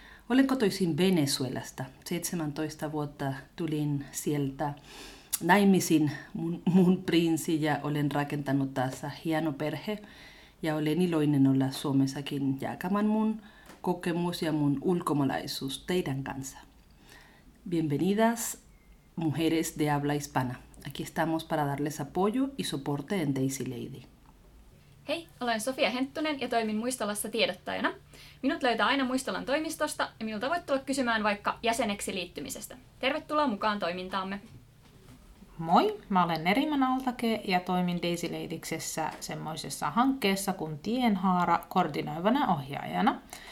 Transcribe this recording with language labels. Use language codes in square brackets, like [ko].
[fi] Olen kotoisin Venezuelasta. 17 vuotta tulin sieltä naimisiin mun prinssi ja olen rakentanut tässä hieno perhe. Ja olen iloinen olla Suomessakin jakamaan mun kokemus ja mun ulkomaalaisuus teidän kanssa. [es] Bienvenidas, mujeres de habla hispana. Aquí estamos para darles apoyo y soporte en DaisyLady. [fi] Hei, olen Sofia Henttunen ja toimin Muistolassa tiedottajana. Minut löytää aina Muistolan toimistosta ja minulta voit tulla kysymään vaikka jäseneksi liittymisestä. Tervetuloa mukaan toimintaamme. Moi, mä olen Neriman Altake ja toimin DaisyLadiesissä semmoisessa hankkeessa kuin Tienhaara koordinoivana ohjaajana.